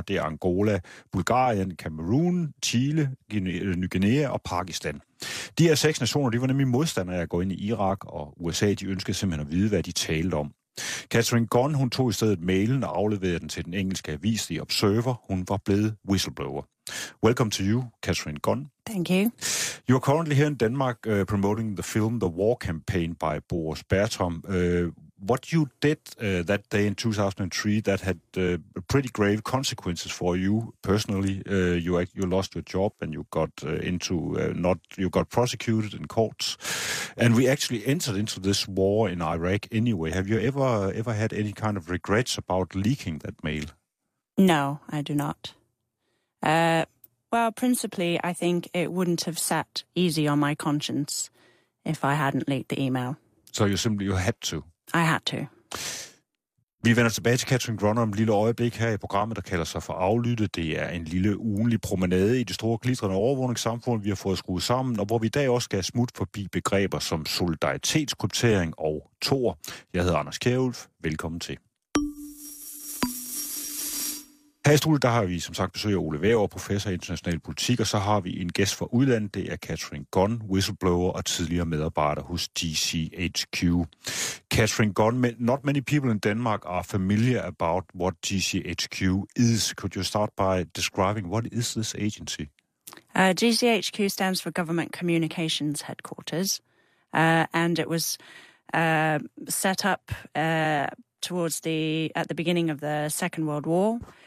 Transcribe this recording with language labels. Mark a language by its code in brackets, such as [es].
[da] Det er Angola, Bulgarien, Cameroon, Chile, Ny Guinea og Pakistan. De her seks nationer, de var nemlig modstandere af at gå ind i Irak, og USA, de ønskede simpelthen at vide, hvad de talte om. Catherine Gunn, hun tog i stedet mailen og afleverede den til den engelske avis The Observer. Hun var blevet whistleblower. [en] Welcome to you, Catherine Gunn. Thank you. You are currently here in Denmark promoting the film The War Campaign by Boris Bertram. What you did that day in 2003 that had pretty grave consequences for you personally. You lost your job and you got prosecuted in courts. And we actually entered into this war in Iraq anyway. Have you ever had any kind of regrets about leaking that mail? No, I do not. Well, principally, I think it wouldn't have sat easy on my conscience if I hadn't leaked the email. So you had to. I had to. [da] Vi vender tilbage til Catherine Gunn om et lille øjeblik her i programmet, der kalder sig for Aflyttet. Det er en lille ugenlig promenade i det store glitrende overvågningssamfund, vi har fået skruet sammen, og hvor vi i dag også skal smutte forbi begreber som solidaritetskryptering og Tor. Jeg hedder Anders Kjær Ulf. Velkommen til. Her i studiet, der har vi som sagt besøg af Ole Wæver, professor i international politik, og så har vi en gæst fra udlandet, det er Catherine Gunn, whistleblower og tidligere medarbejder hos GCHQ. [en] Catherine Gunn, not many people in Denmark are familiar about what GCHQ is. Could you start by describing what is this agency? GCHQ stands for Government Communications Headquarters, and it was set up at the beginning of the Second World War.